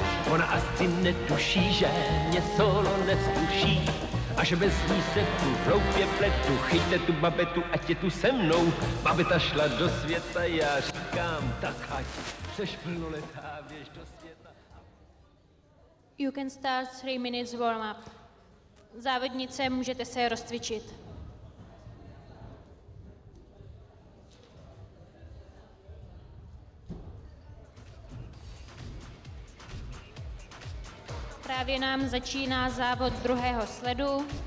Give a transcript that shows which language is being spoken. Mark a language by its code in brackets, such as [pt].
[cs] Ona asi netuší, že mě solo nevzkuší. A že bez ní se tu hloupě pletu, chyťte tu babetu, ať je tu se mnou. Babeta šla do světa, já říkám, tak ať seš plnoletá, běž do světa. [en] You can start 3 minutes warm up. [cs] Závodnice, můžete se rozcvičit. Právě nám začíná závod druhého sledu.